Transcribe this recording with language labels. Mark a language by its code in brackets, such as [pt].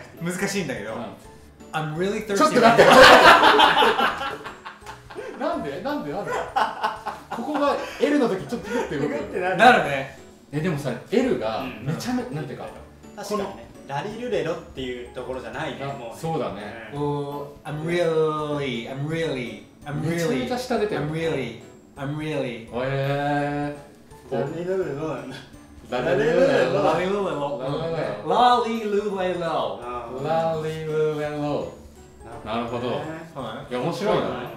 [ja] 難しいんだけど、 [en] I'm really thirsty. [ja] ちょっと待って。なんで？なんで？なんで？ここが L の時ちょっとグッて動く。なるね。え、でもさ、L がめちゃめ、うん、なんていうか、確かにね、ラリルレロっていうところじゃないね、もうね。そうだね。 [en] うん、oh, I'm really, I'm really, I'm really. [ja] めちゃめちゃ下出てる。 [en] I'm really, I'm really. [ja] へぇー。ラリルレロ。ラリルレロ。ラリルレロ。なるほど。いや、面白いな。